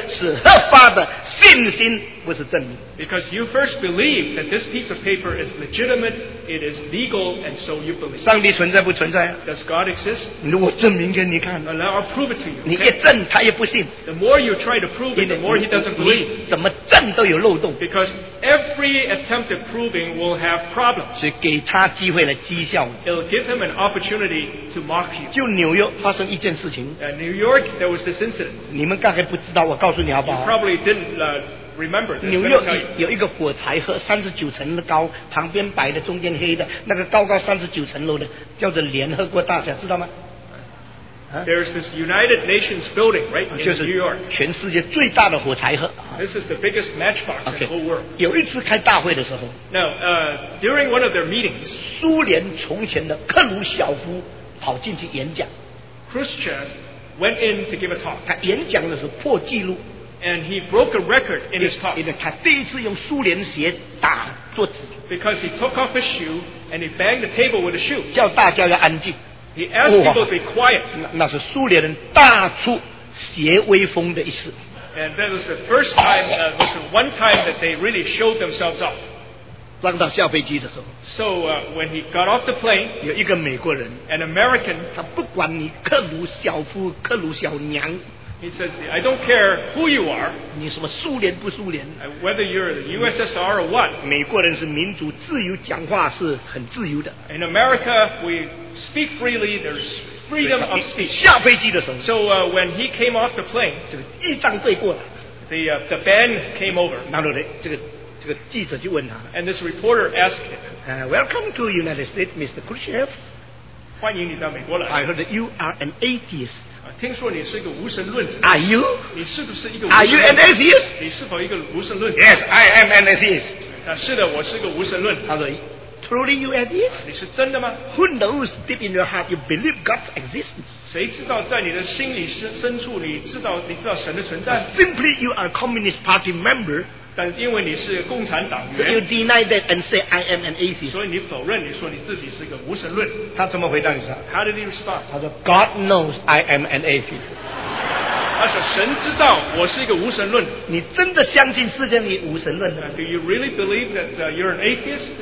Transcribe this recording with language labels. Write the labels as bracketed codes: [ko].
[zh] 是你相信那张纸写的是合法的信心, [en] because you first believe that this piece of paper is legitimate, it is legal, and so you believe. [zh] 上帝存在不存在啊? [en] Does God exist? [zh] 我证明给你看, [en] I'll prove it to you. [zh] 你一证, okay? 他也不信, [en] the more you try to prove it, the more he doesn't believe. [zh] 怎么证都有漏洞, [en] because every attempt at proving will have problems. [zh] 是给他机会来讥笑, [en] it'll give him an opportunity to mock you. [zh] 就纽约发生一件事情, [en] at New York, there was this incident. [zh] 你们刚才不知道, 我告诉你好不好? [en] You probably didn't remember this, [zh] 纽约有一个火柴盒 39层的高, 旁边白的, 中间黑的, 那个高高 39层楼的, 叫做联合国大厦, 知道吗? [en] There's this United Nations building right in New York. [zh] 全世界最大的火柴盒, [en] this is the biggest matchbox in the whole world. [zh] 有一次开大会的时候, [en] now, during one of their meetings, [zh] 苏联从前的克鲁晓夫 跑进去演讲, [en] Khrushchev went in to give a talk. [zh] 他演讲的时候破纪录, [en] and he broke a record in his talk. [zh] 因为他第一次用苏联鞋打桌子, [en] because he took off his shoe and he banged the table with his shoe. [zh] 叫大家要安静, [en] he asked people to be quiet. [zh] 那是苏联人大出鞋威风的一次, [en] and that was the first time, was the one time that they really showed themselves off. [zh] 让他下飞机的时候, [en] so when he got off the plane, [zh] 有一个美国人, [en] an American, [zh] 他不管你克鲁晓夫, 克鲁晓娘, [en] he says, I don't care who you are, [zh] 你什么苏联不苏联, [en] whether you're the USSR or what, [zh] 美国人是民主自由讲话是很自由的, [en] in America, we speak freely, there's freedom of speech. [zh] 下飞机的时候, [en] so when he came off the plane, [zh] 这个一张对过来, [en] the band came over, [zh] 然后这个记者就问他, [en] and this reporter asked him, welcome to United States, Mr. Khrushchev. I heard that you are an atheist. [zh] 听说你是一个无神论者, [en] are you? [zh] 你是不是一个无神论者? [en] Are you an atheist? [zh] 你是否一个无神论者? [en] Yes, I am an atheist. [zh] 是的,我是一个无神论者。 [en] Truly you are atheist? [zh] 你是真的吗? [en] Who knows deep in your heart you believe God's existence? [zh] 谁知道在你的心里深处你知道神的存在? [en] Simply you are a Communist Party member. [zh] 但因为你是共产党员, [en] so you deny that and say I am an atheist. [zh] 所以你否认你说你自己是个无神论, 他怎么回答你说? [en] How did he respond? [zh] 他说, [en] God knows I am an atheist. [zh] 他说神知道我是一个无神论, 你真的相信世界上有无神论吗? [en] Do you really believe that you're an atheist?